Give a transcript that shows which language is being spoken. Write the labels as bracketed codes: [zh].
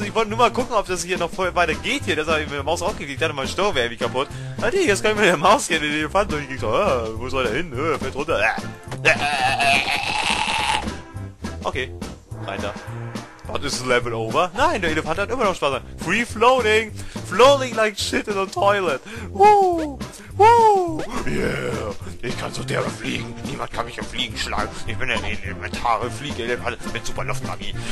[de] Ich wollte nur mal gucken, ob das hier noch voll weiter geht hier. Das habe ich mit der Maus auch geklickt. Ich hatte mein Steuer irgendwie kaputt. Ah, nee, jetzt kann ich mit der Maus hier den Elefanten durchgeklickt. Ah, wo soll der hin? Ah, fällt runter. Ah. Okay, weiter. [en] But is the level over? [de] Nein, der Elefant hat immer noch Spaß. [en] Free floating. Floating like shit in a toilet. Woo. Yeah. [de] Ich kann so derbe fliegen. Niemand kann mich im Fliegen schlagen. Ich bin ein elementarer Fliegelefant mit super Luftmagie.